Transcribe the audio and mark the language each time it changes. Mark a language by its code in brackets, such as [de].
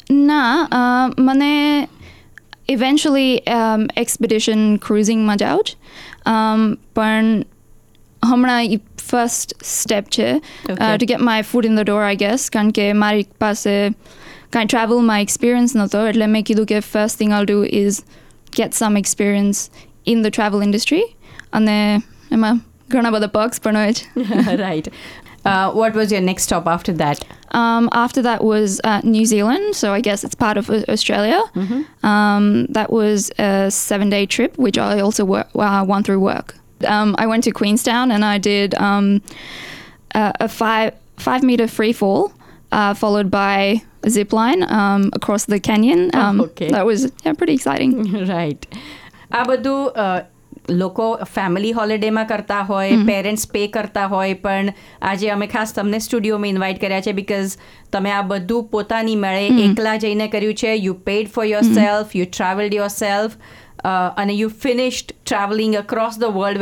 [gu] ના, મને eventually expedition ક્રુઝિંગમાં જાઉં છું, પણ હમણાં ફર્સ્ટ સ્ટેપ છે [en] to get my food in the door I guess, [gu] કારણ કે મારી પાસે કાંઈ ટ્રાવેલમાં એક્સપિરિયન્સ નહોતો. એટલે મેં કીધું કે [en] first thing I'll do is get some experience in the travel industry, and there are [gu] ghana bada [en] perks for it. Right. What was your next stop after that? After that was New Zealand, so I guess it's part of Australia. That was a 7-day trip, which I also went through work. I went to Queenstown and I did a five meter free fall, followed by a zip line across the canyon. Okay. That was pretty exciting. Right. [gu] આ બધું લોકો family હોલિડેમાં કરતા હોય, parents pay કરતા હોય, પણ આજે અમે ખાસ તમને સ્ટુડિયોમાં ઇન્વાઇટ કર્યા છે બીકોઝ તમે આ બધું પોતાની મળે એકલા જઈને કર્યું છે. [en] you paid for yourself, you travelled yourself, [gu] અને [en] You finished travelling across the world.